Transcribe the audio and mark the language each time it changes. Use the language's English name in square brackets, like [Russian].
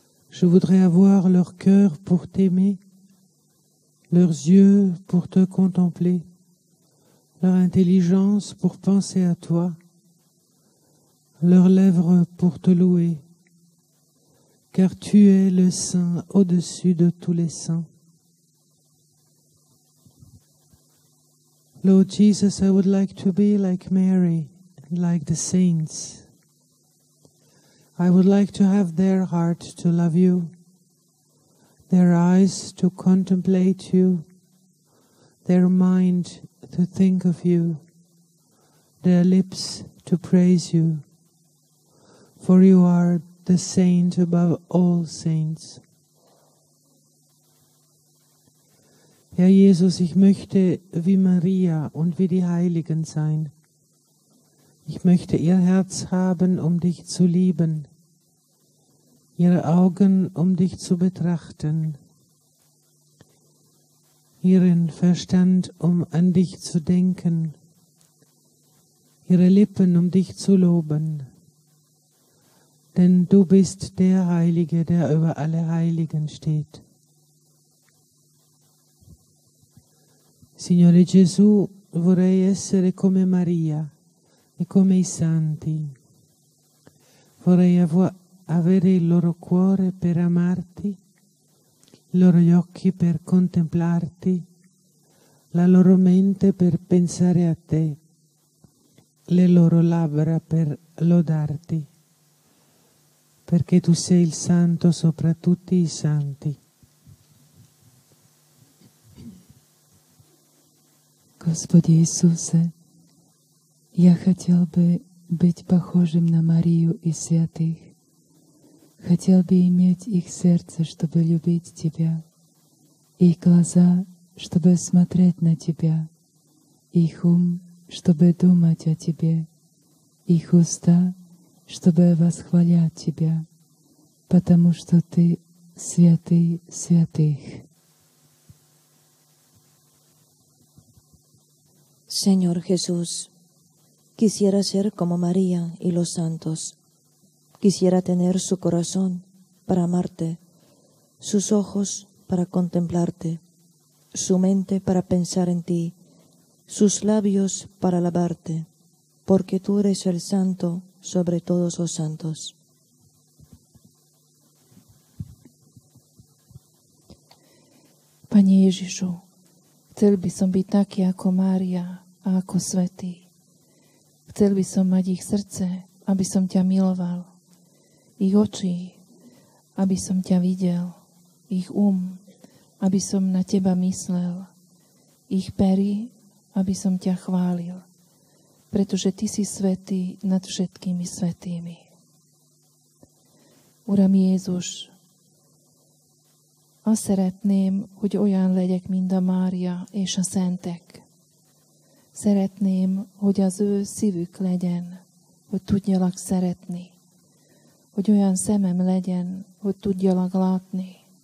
[French] Je voudrais avoir leur cœur pour t'aimer, leurs yeux pour te contempler, leur intelligence pour penser à toi, leurs lèvres pour te louer, car tu es le saint au-dessus de tous les saints. [English] Lord Jesus, I would like to be like Mary, like the saints. I would like to have their heart to love you, their eyes to contemplate you, their mind to think of you, their lips to praise you, for you are the saint above all saints. [German] Herr Jesus, ich möchte wie Maria und wie die Heiligen sein. Ich möchte ihr Herz haben, um dich zu lieben, ihre Augen, um dich zu betrachten, ihren Verstand, um an dich zu denken, ihre Lippen, um dich zu loben. Denn du bist der Heilige, der über alle Heiligen steht. [Italian] Signore Gesù, vorrei essere come Maria e come i santi. Vorrei avere il loro cuore per amarti, i loro occhi per contemplarti, la loro mente per pensare a te, le loro labbra per lodarti, perché tu sei il santo sopra tutti i santi. [Russian] Господи Иисусе, я хотел бы быть похожим на Марию и святых, хотел бы иметь их сердце, чтобы любить Тебя, их глаза, чтобы смотреть на Тебя, их ум, чтобы думать о Тебе, их уста, чтобы восхвалять Тебя, потому что Ты святый святых. [Spanish] Señor Jesús, quisiera ser como María y los santos. Quisiera tener su corazón para amarte, sus ojos para contemplarte, su mente para pensar en ti, sus labios para alabarte, porque tú eres el santo sobre todos los santos. [Slovak] Panie Ježišu, chcel by som byť taký ako Mária. A ako svätý. Chcel by som mať ich srdce, aby som ťa miloval. Ich oči, aby som ťa videl. Ich um, aby som na teba myslel. Ich pery, aby som ťa chválil. Pretože ty si svätý nad všetkými svätými. [Hungarian] Uram Jézus, a szeretném, hogy olyan legyek, mint a Mária és a szentek. Szeretném, hogy az ő szívük legyen, hogy tudjalak szeretni. Hogy olyan szemem legyen, hogy tudjalak látni.